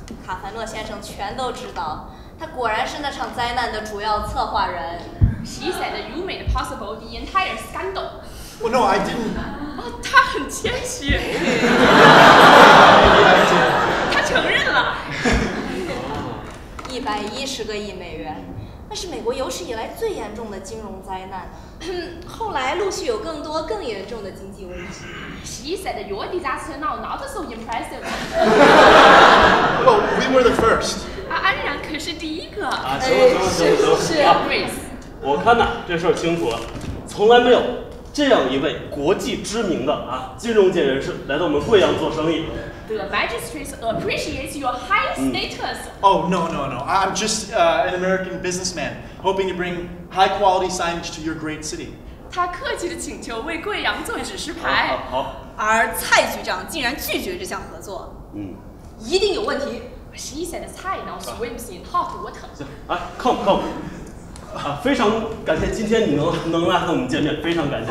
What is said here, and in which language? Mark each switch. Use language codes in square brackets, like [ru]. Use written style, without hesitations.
[zh] 卡凡诺先生全都知道，他果然是那场灾难的主要策划人。 [en] She said you made possible the entire scandal. Well, no, I didn't. [zh] 他很谦虚。他承认了。 $110亿。那是美国有史以来最严重的金融灾难，后来陆续有更多更严重的经济危机。 [en] She said your disaster now not so impressive. Well, we were the first. [zh] 安然可是第一个。行了，我看呐，这事儿清楚了，从来没有这样一位国际知名的金融界人士来到我们贵阳做生意。 [en] The magistrates appreciate your high status. Oh, no. I'm just an American businessman hoping to bring high quality signage to your great city. [zh] 他客气地请求为贵阳做指示牌。好。而蔡局长竟然拒绝这项合作。一定有问题。 [en] She said Cai now swims in hot water. [zh] 来， [en] come. [zh] 非常感谢今天你能来和我们见面，非常感谢。